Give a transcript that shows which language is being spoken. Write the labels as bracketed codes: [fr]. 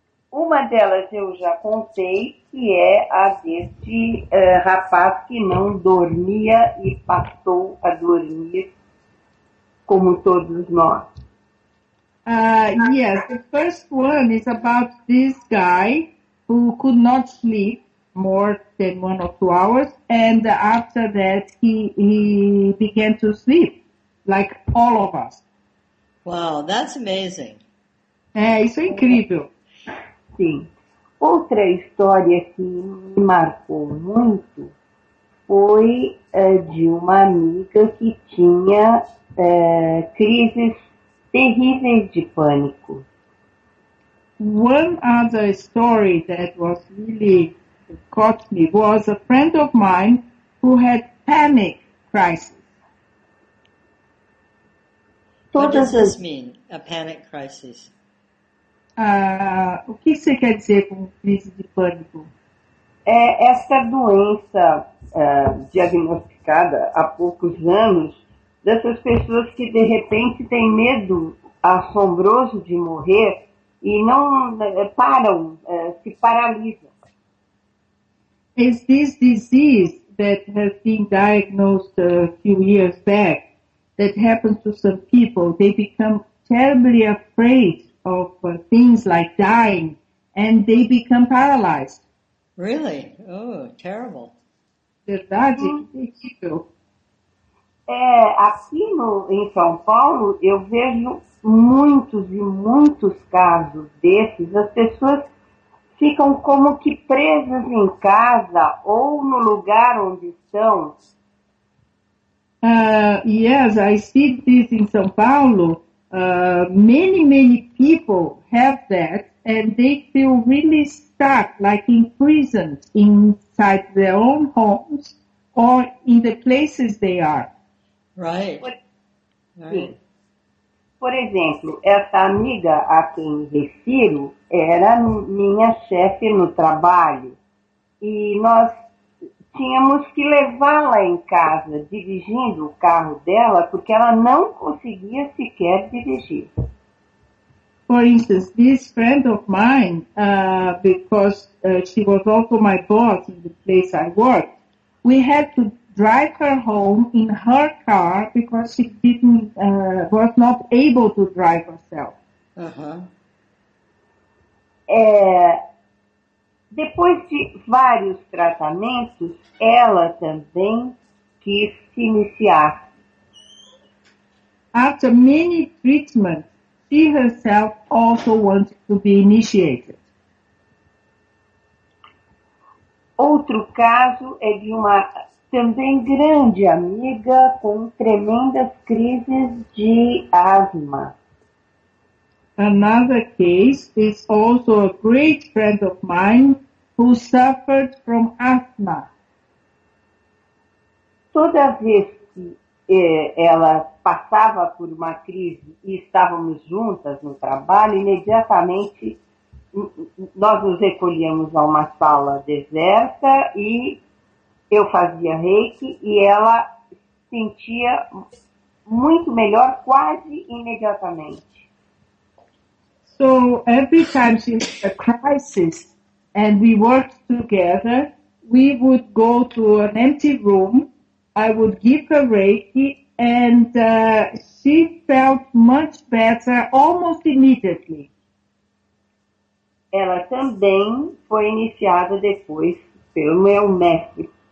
[pt] Uma delas eu já contei, que é a deste rapaz que não dormia e passou a dormir como todos nós. [en] Yes, the first one is about this guy who could not sleep more than 1 or 2 hours, and after that he began to sleep, like all of us. Wow, that's amazing. [pt] É, isso é incrível. Sim. Outra história que me marcou muito foi de uma amiga que tinha crises terríveis de pânico. [en] One other story that was really caught me was a friend of mine who had panic crisis. What does this mean, a panic crisis? [pt] O que você quer dizer com crise de pânico? É essa doença diagnosticada há poucos anos dessas pessoas que de repente têm medo assombroso de morrer e não param, se paralisam. [en] Is this disease that has been diagnosed a few years back that happens to some people? They become terribly afraid of things like dying and they become paralyzed. Really? Oh, terrible. [pt] Verdade? Terrível. Aqui em São Paulo, eu vejo muitos e muitos casos desses. As pessoas ficam como que presas em casa ou no lugar onde estão. [en] Yes, I see this in São Paulo. Many, many people have that and they feel really stuck, like imprisoned inside their own homes or in the places they are. Right. [pt] Por exemplo, essa amiga a quem refiro era minha chefe no trabalho e nós tínhamos que levá-la em casa dirigindo o carro dela porque ela não conseguia sequer dirigir. [en] For instance, this friend of mine, because she was also my boss in the place I worked, we had to drive her home in her car because she didn't was not able to drive herself. Uh-huh. [pt] Depois de vários tratamentos, ela também quis se iniciar. [en] After many treatments, she herself also wanted to be initiated. [pt] Outro caso é de uma também grande amiga com tremendas crises de asma. [en] Another case is also a great friend of mine who suffered from asthma. [pt] Toda vez que ela passava por uma crise e estávamos juntas no trabalho, imediatamente nós nos recolhíamos a uma sala deserta e eu fazia reiki e ela sentia muito melhor quase imediatamente. [en] So every time she had a crisis and we worked together, we would go to an empty room, I would give her reiki and she felt much better almost immediately. [pt] Ela também foi iniciada depois pelo meu mestre.